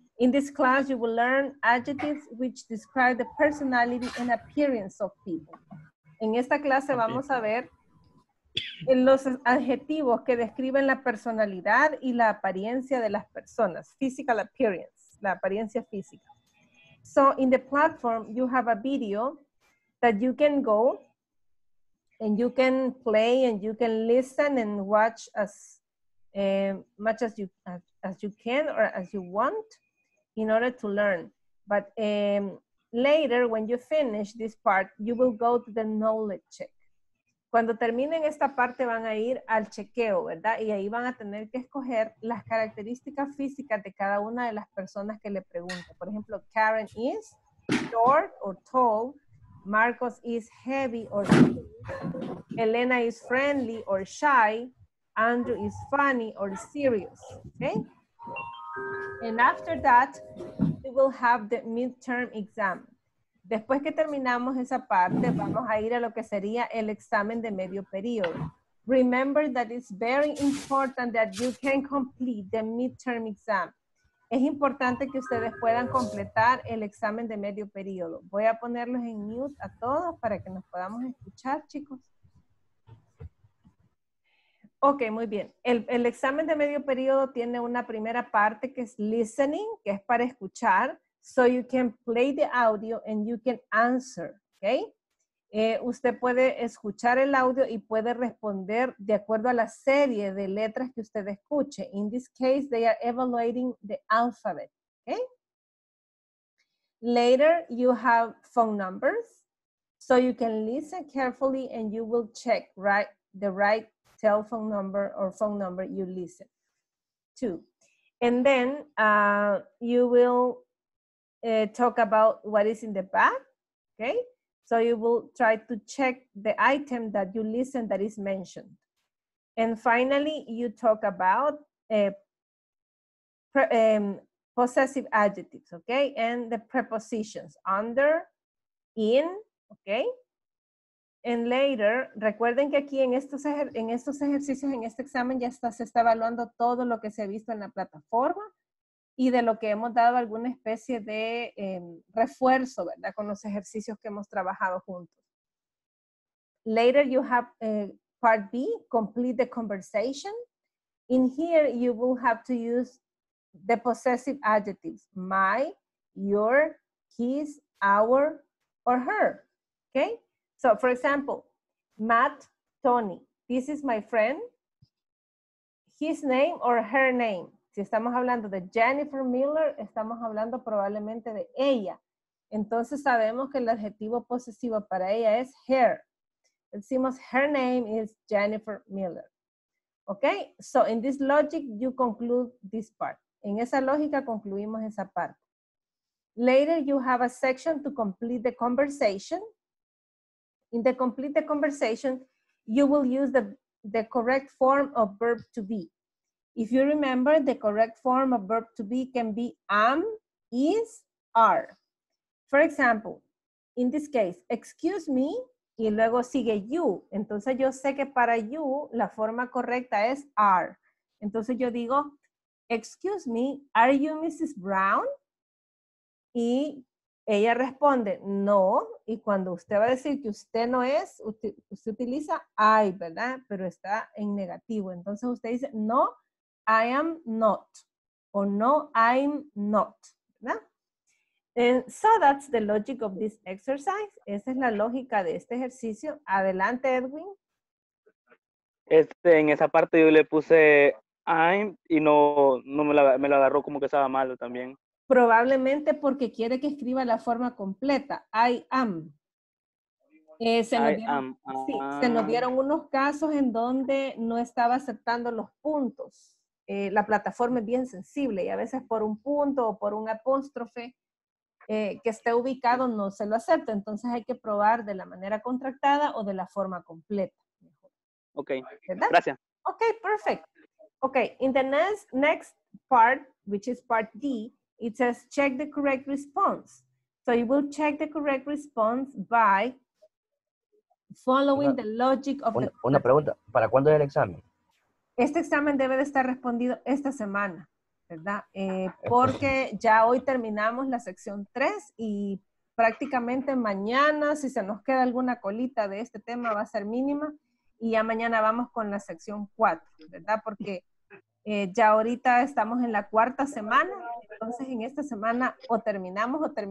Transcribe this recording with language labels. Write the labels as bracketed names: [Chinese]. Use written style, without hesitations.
[English] In this class, you will learn adjectives which describe the personality and appearance of people. [Spanish] En esta clase vamos a ver los adjetivos que describen la personalidad y la apariencia de las personas. [English] Physical appearance, [Spanish] la apariencia física. [English] So in the platform, you have a video that you can go and you can play and you can listen and watch as much as you can or as you want in order to learn. But later, when you finish this part, you will go to the knowledge check. [Spanish] Cuando terminen esta parte, van a ir al chequeo, ¿verdad? Y ahí van a tener que escoger las características físicas de cada una de las personas que le pregunto. Por ejemplo, [English] Karen is short or tall. Marcos is heavy or thin. Elena is friendly or shy. Andrew is funny or serious, okay? And after that, we will have the midterm exam. [Spanish] Después que terminamos esa parte, vamos a ir a lo que sería el examen de medio periodo. [English] Remember that it's very important that you can complete the midterm exam. [Spanish] Es importante que ustedes puedan completar el examen de medio periodo. Voy a ponerlos en mute a todos para que nos podamos escuchar, chicos. Ok, muy bien. El examen de medio periodo tiene una primera parte que es listening, que es para escuchar. [English] So you can play the audio and you can answer, ok. [Spanish] Usted puede escuchar el audio y puede responder de acuerdo a la serie de letras que usted escuche. [English] In this case, they are evaluating the alphabet, ok. Later, you have phone numbers. So you can listen carefully and you will check right the right telephone number or phone number you listen to. And then you will talk about what is in the bag, okay? So you will try to check the item that you listen that is mentioned. And finally, you talk about possessive adjectives, okay? And the prepositions, under, in, okay? And later, [Spanish] recuerden que aquí en estos ejercicios, en este examen, ya se está evaluando todo lo que se ha visto en la plataforma y de lo que hemos dado alguna especie de refuerzo, ¿verdad? Con los ejercicios que hemos trabajado juntos. [English] Later, you have part B, complete the conversation. In here, you will have to use the possessive adjectives, my, your, his, our, or her, okay? So, for example, Matt, Tony, this is my friend. His name or her name. [Spanish] Si estamos hablando de Jennifer Miller, estamos hablando probablemente de ella. Entonces sabemos que el adjetivo posesivo para ella es her. Decimos [English] her name is Jennifer Miller. Okay, so in this logic you conclude this part. [Spanish] En esa lógica concluimos esa parte. [English] Later you have a section to complete the conversation. In the complete the conversation, you will use the correct form of verb to be. If you remember, the correct form of verb to be can be am, is, are. For example, in this case, excuse me, [Spanish] y luego sigue you. Entonces yo sé que para you la forma correcta es are. Entonces yo digo, [English] excuse me, are you Mrs. [Spanish] Brown? Y ella responde, no. Y cuando usted va a decir que usted no es, usted utiliza I, ¿verdad? Pero está en negativo. Entonces usted dice, no, [English] I am not. [Spanish] O no, [English] I'm not. [Spanish] ¿Verdad? [English] And so that's the logic of this exercise. [Spanish] Esa es la lógica de este ejercicio. Adelante, Edwin. En esa parte yo le puse I'm y no me la agarró como que estaba malo también. Probablemente porque quiere que escriba la forma completa. [English] I am. [Spanish] Se nos dieron unos casos en donde no estaba aceptando los puntos. La plataforma es bien sensible y a veces por un punto o por un apóstrofe que esté ubicado no se lo acepta. Entonces hay que probar de la manera contractada o de la forma completa. Ok, ¿verdad? Gracias. [English] Ok, perfect. Ok, in the next part, which is part D, it says check the correct response. So you will check the correct response by following the logic of the [Spanish] question. Una pregunta, ¿para cuándo es el examen? Este examen debe de estar respondido esta semana, ¿verdad? Porque ya hoy terminamos la sección 3 y prácticamente mañana, si se nos queda alguna colita de este tema, va a ser mínima. Y ya mañana vamos con la sección 4, ¿verdad? Porque ya ahorita estamos en la cuarta semana, entonces en esta semana o terminamos.